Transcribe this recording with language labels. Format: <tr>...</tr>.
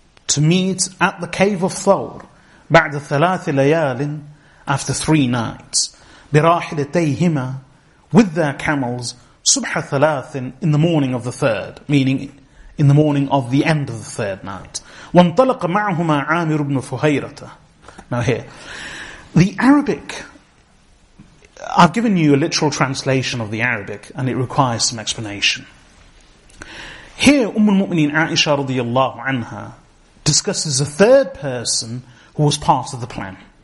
<en>to meet at the cave of Thawr,</en> <ar>بعد ثلاث ليال,</ar> <en>after 3 nights,</en> <ar>براحلتيهما,</ar> <en>with their camels,</en> <ar>صبح ثلاث,</ar> <en>in the morning of the third, meaning in the morning of the end of the third night.</en> <ar>وانطلق معهما عامر بن فهيرة.</ar> <en>Now here, the Arabic, I've given you a literal translation of the Arabic, and it requires some explanation. Here, al-Mu'mineen Aisha radiallahu anha discusses a third person who was part of the plan.</en>